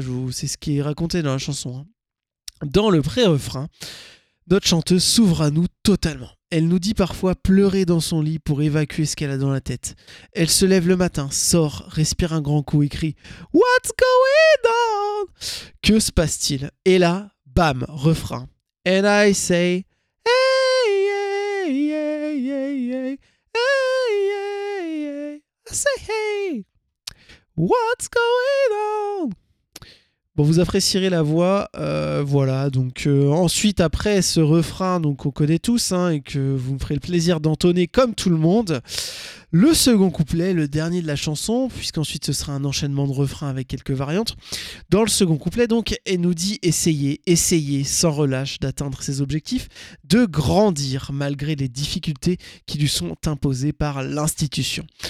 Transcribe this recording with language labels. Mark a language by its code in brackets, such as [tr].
[fr] C'est ce qui est raconté dans la chanson. Hein. Dans le pré-refrain, notre chanteuse s'ouvre à nous totalement. Elle nous dit parfois pleurer dans son lit pour évacuer ce qu'elle a dans la tête. Elle se lève le matin, sort, respire un grand coup et crie « [en] What's going on ?» [fr] Que se passe-t-il ? Et là, bam, refrain. [en] « And I say, hey, hey, hey, hey, hey, hey, hey, hey, hey, I say hey, what's going on ?» [fr] Bon, vous apprécierez la voix, ensuite, après ce refrain donc, qu'on connaît tous hein, et que vous me ferez le plaisir d'entonner comme tout le monde, le second couplet, le dernier de la chanson, puisqu'ensuite ce sera un enchaînement de refrains avec quelques variantes, dans le second couplet, donc, elle nous dit essayer sans relâche d'atteindre ses objectifs, de grandir malgré les difficultés qui lui sont imposées par l'institution.